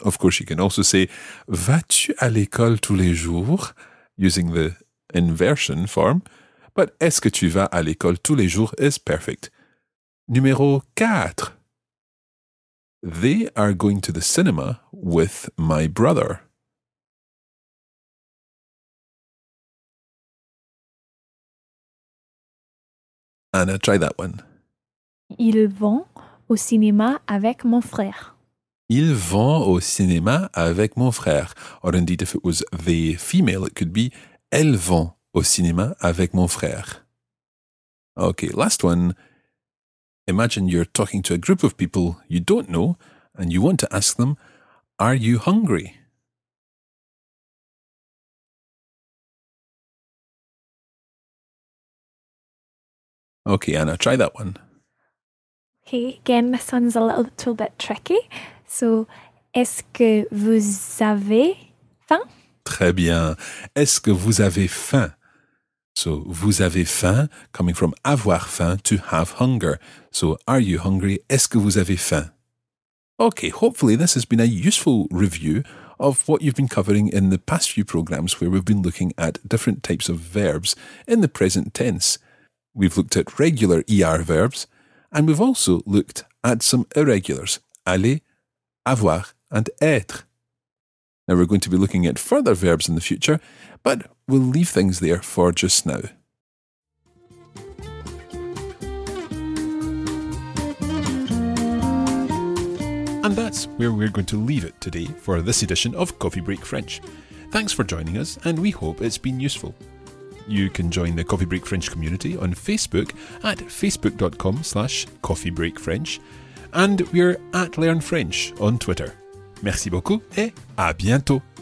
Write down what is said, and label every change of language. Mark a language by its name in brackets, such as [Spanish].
[English] Of course, you can also say, [French] vas-tu à l'école tous les jours? [English] Using the inversion form. But [French] est-ce que tu vas à l'école tous les jours [English] is perfect. [French] Numéro 4. [English] They are going to the cinema with my brother. Anna, try that one. [French] Ils vont au cinéma avec mon frère. Ils vont au cinéma avec mon frère. [English] Or indeed, if it was the female, it could be [French] elles vont au cinéma avec mon frère. [English] Okay, last one. Imagine you're talking to a group of people you don't know and you want to ask them, are you hungry? Okay, Anna, try that one. Okay, again, this one's a little bit tricky. [French] So, est-ce que vous avez faim? Très bien. Est-ce que vous avez faim? So, vous avez faim, [English] coming from [French] avoir faim, [English] to have hunger. So, are you hungry? [French] Est-ce que vous avez faim? [English] Okay, hopefully this has been a useful review of what you've been covering in the past few programmes where we've been looking at different types of verbs in the present tense. We've looked at regular ER verbs, and we've also looked at some irregulars, aller, avoir, and être. Now we're going to be looking at further verbs in the future, but we'll leave things there for just now. And that's where we're going to leave it today for this edition of Coffee Break French. Thanks for joining us, and we hope it's been useful. You can join the Coffee Break French community on Facebook at facebook.com/coffeebreakfrench, and we're at Learn French on Twitter. [French] Merci beaucoup et à bientôt!